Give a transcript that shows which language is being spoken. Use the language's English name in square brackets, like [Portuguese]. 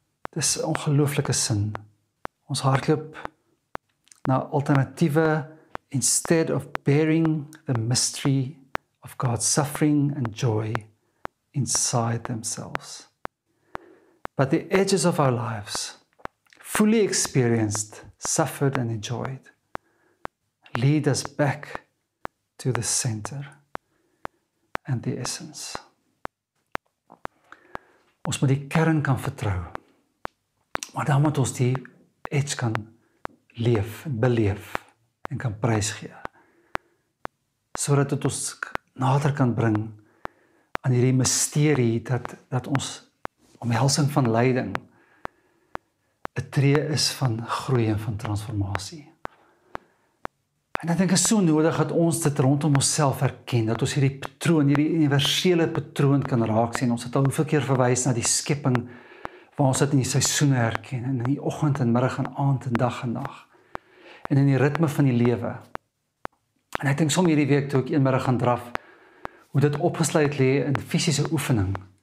[Afrikaans] Dis 'n ongelooflike sin. Ons hardloop na alternatiewe [English] instead of bearing the mystery of God's suffering and joy inside themselves. But the edges of our lives, fully experienced, suffered and enjoyed, lead us back to the center and the essence. [Afrikaans] Ons moet die kern kan vertrou. Maar dan moet ons die edge kan leef, beleef en kan prysgee. Sodat dit ons nader kan bring aan hierdie misterie dat ons omhelsing van lyding 'n tree is van groei en van transformasie. En ek dink is so nodig dat ons dit rondom onsself erken, dat ons hierdie patroon, hierdie universele patroon kan raak sien. Ons het al hoeveel keer verwys na die skepping waar ons dit in die seisoene herken, in die oggend en middag en aand en dag en nag, en in die ritme van die lewe. En ek dink soms hierdie week toe ek een middag gaan draf, hoe dit opgesluit lê in fisiese oefening.